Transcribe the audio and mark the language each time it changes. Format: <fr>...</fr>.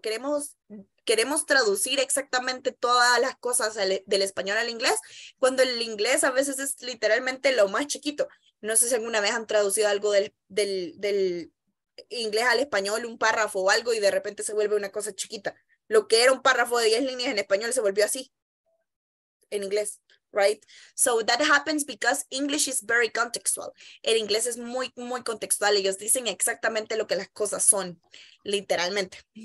<es>Queremos traducir exactamente todas las cosas del español al inglés, cuando el inglés a veces es literalmente lo más chiquito. No sé si alguna vez han traducido algo del inglés al español, un párrafo o algo, y de repente se vuelve una cosa chiquita. Lo que era un párrafo de 10 líneas en español se volvió así, en inglés, right?</es> <en>So that happens because English is very contextual.</en> <es>El inglés es muy, muy contextual. Ellos dicen exactamente lo que las cosas son, literalmente.</es>